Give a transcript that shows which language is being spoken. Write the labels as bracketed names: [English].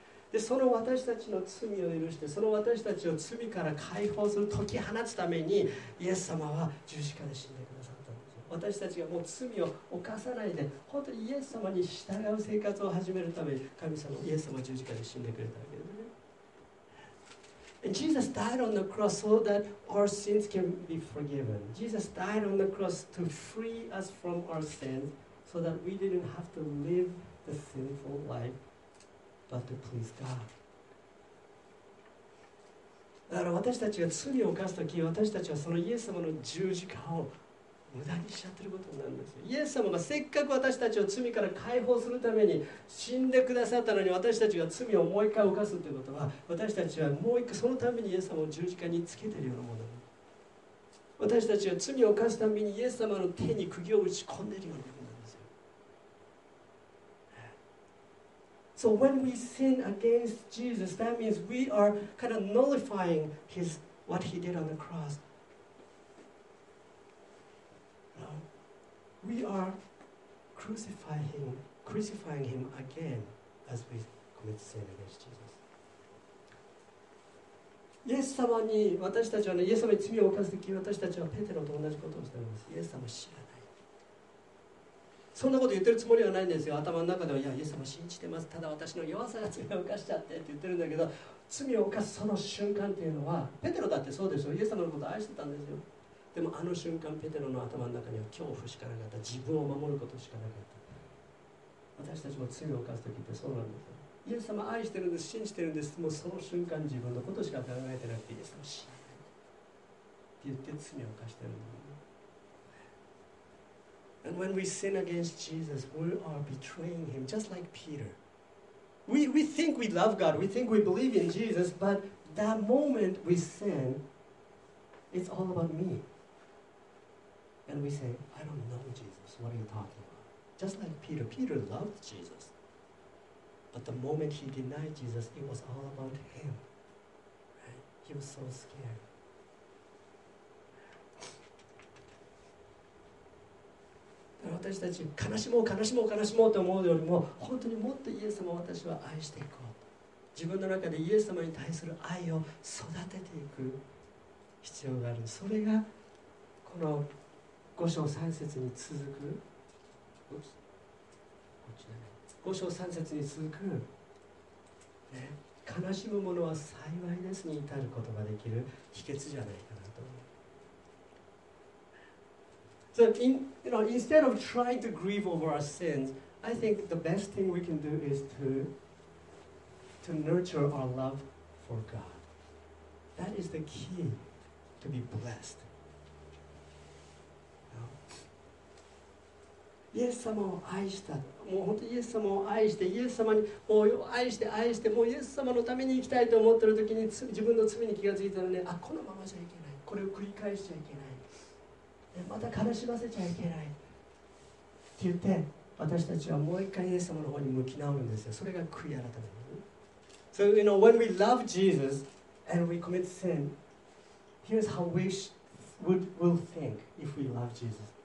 [Japanese] でその私たちの罪を許して、その私たちを罪から解放する、解き放つためにイエス様は十字架で死んでくださったんですよ。私たちがもう罪を犯さないで本当にイエス様に従う生活を始めるために、神様イエス様は十字架で死んでくれたわけですね。 [English] And Jesus died on the cross so that our sins can be forgiven. Jesus died on the cross to free us from our sins so that we didn't have to live the sinful lifeBut to please God. [Japanese] だから私たちが罪を犯すとき、私たちはそのイエス様の十字架を無駄にしちゃってることになるんですよ。イエス様がせっかく私たちを罪から解放するために死んでくださったのに、私たちが罪をもう一回犯すということは、私たちはもう一回そのためにイエス様を十字架につけているようなもの。私たちは罪を犯すためにイエス様の手に釘を打ち込んでいるようなもの。 [English] So when we sin against Jesus, that means we are kind of nullifying his, what he did on the cross. We are crucifying him again as we commit sin against Jesus. [Japanese] イエス様に、私たちはね、イエス様に罪を犯すとき、私たちはペテロと同じことをしています。イエス様知らない。そんなこと言ってるつもりはないんですよ。頭の中では、いや、イエス様信じてます。ただ私の弱さが罪を犯しちゃってって言ってるんだけど、罪を犯すその瞬間っていうのは、ペテロだってそうでしょ。イエス様のこと愛してたんですよ。でもあの瞬間、ペテロの頭の中には恐怖しかなかった。自分を守ることしかなかった。私たちも罪を犯すときってそうなんですよ。イエス様愛してるんです、信じてるんです。もうその瞬間、自分のことしか考えてなくて、イエス様知らないって言って罪を犯してるんだよ。 [English] And when we sin against Jesus, we are betraying him, just like Peter. We think we love God, we think we believe in Jesus, but that moment we sin, it's all about me. And we say, I don't know Jesus, what are you talking about? Just like Peter, Peter loved Jesus. But the moment he denied Jesus, it was all about him. Right? He was so scared. [Japanese] 私たち悲しもう悲しもう悲しもうと思うよりも、本当にもっとイエス様を私は愛していこうと、自分の中でイエス様に対する愛を育てていく必要がある。それがこの5章3節に続く、5章3節に続く、ね、悲しむ者は幸いですに至ることができる秘訣じゃないかなと。 [English] So in, you know, instead of trying to grieve over our sins, I think the best thing we can do is to nurture our love for God. That is the key to be blessed. [Japanese] イエス様を愛した。もう本当にイエス様を愛して、イエス様にもう愛して愛して、もうイエス様のために生きたいと思っている時に自分の罪に気がついたらね、あ、このままじゃいけない。これを繰り返しちゃいけない。また悲しませちゃいけない。って言って、私たちはもう一回イエス様の方に向き直るんですよ。それが悔い改め。 [English] So, you know, when we love Jesus and we commit sin, here's how we will think if we love Jesus.